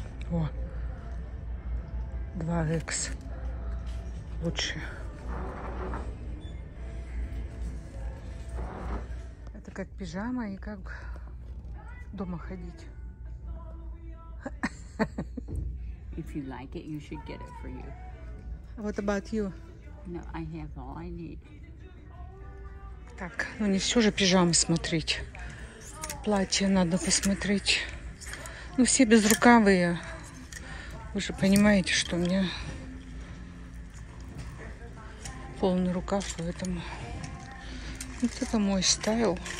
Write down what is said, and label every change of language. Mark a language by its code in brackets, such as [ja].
[ru] О. 2x лучше. Это как пижама и как дома ходить. [en] If you like it, you should get it for you. What about you? No, I have all I need. [ru] Так, ну не все же пижамы смотреть. Платье надо посмотреть. Ну все безрукавые. Вы же понимаете, что у меня полный рукав, поэтому вот это мой стайл.